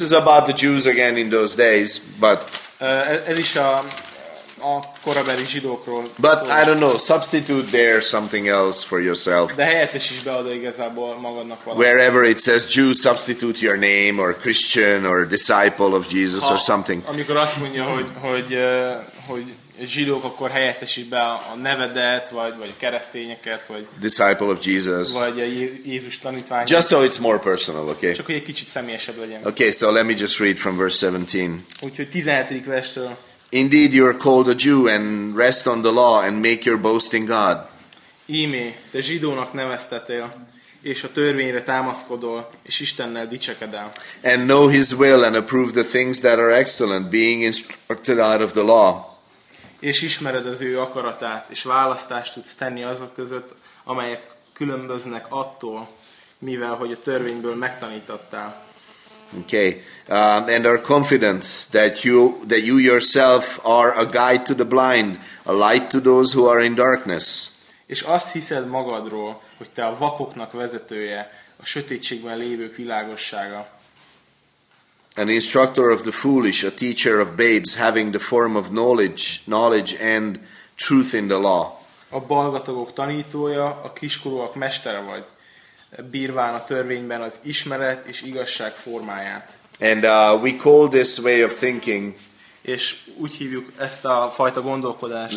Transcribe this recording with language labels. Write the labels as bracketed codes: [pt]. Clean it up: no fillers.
[en] is about the Jews again in those days, but [hu] ez is a korabeli zsidókról. [en] But szóval. I don't know, substitute there something else for yourself. [hu] De helyettes is beadod igazából magadnak valamit. [en] Wherever it says Jew, substitute your name or Christian or disciple of Jesus or something. [hu] Amikor azt mondja, hogy zsidók, akkor helyettesíts be a nevedet, vagy keresztényeket, vagy [en] disciple of Jesus, [hu] vagy a Jézus tanítvány. [en] Just so it's more personal, okay? [hu] Csak hogy egy kicsit személyesebb legyen. [en] Okay, so let me just read from verse 17. [hu] Úgyhogy 17. verstől. [en] Indeed, you are called a Jew and rest on the law and make your boast in God. [hu] Íme, te zsidónak neveztetél, és a törvényre támaszkodol, és Istennel dicsekedel. [en] And know His will and approve the things that are excellent, being instructed out of the law. [hu] És ismered az ő akaratát, és választást tudsz tenni azok között, amelyek különböznek attól, mivel hogy a törvényből megtanítottál. [en] Okay, and are confident that you yourself are a guide to the blind, a light to those who are in darkness. [hu] És azt hiszed magadról, hogy te a vakoknak vezetője, a sötétségben lévők világossága. [en] An instructor of the foolish, a teacher of babes, having the form of knowledge and truth in the law. [hu] A balgatagok tanítója, a kiskorúak mestere vagy, bírván a törvényben az ismeret és igazság formáját. [en] And we call this way of thinking, [hu] és úgy hívjuk ezt a fajta gondolkodást,